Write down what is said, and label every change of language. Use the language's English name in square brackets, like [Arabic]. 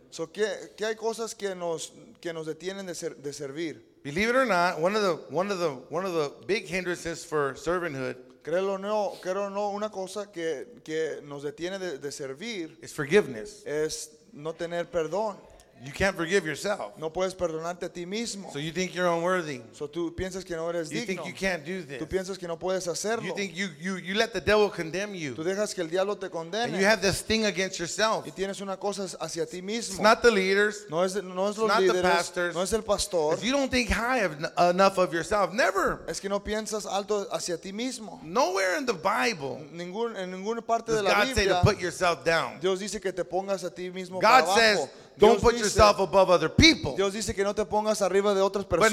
[Spanish] So qué hay cosas que nos detienen de servir? [English] Believe it or not, one of the big hindrances for servanthood. [Spanish] Créelo o no, creo no, una cosa que nos detiene de servir [English] is forgiveness. [Spanish] Es no tener perdón. [English] You can't forgive yourself. [Spanish] No puedes perdonarte a ti mismo. [English] So you think you're unworthy. [Spanish] So tú piensas que no eres digno. [English] You think you can't do this. [Spanish] Tú piensas que no puedes hacerlo. [English] You think you let the devil condemn you. [Spanish] Tú dejas que el diablo te condene. [English] And you have this thing against yourself. [Spanish] Y tienes una cosa hacia ti mismo. [English] It's not the leaders. [Spanish] No es los líderes. [English] It's not the pastors. [Spanish] No es el pastor. [English] If you don't think high enough of yourself, never. [Spanish] Es que no piensas alto hacia ti mismo. [English] Nowhere in the Bible. [Spanish] En ninguna parte de la Biblia. [English] God says to put yourself down. [Spanish] Dios dice que te pongas a ti mismo [English] God [Spanish] para abajo. [English] Says, don't put yourself above other people. [Spanish] Dios dice que no te pongas arriba de otras personas.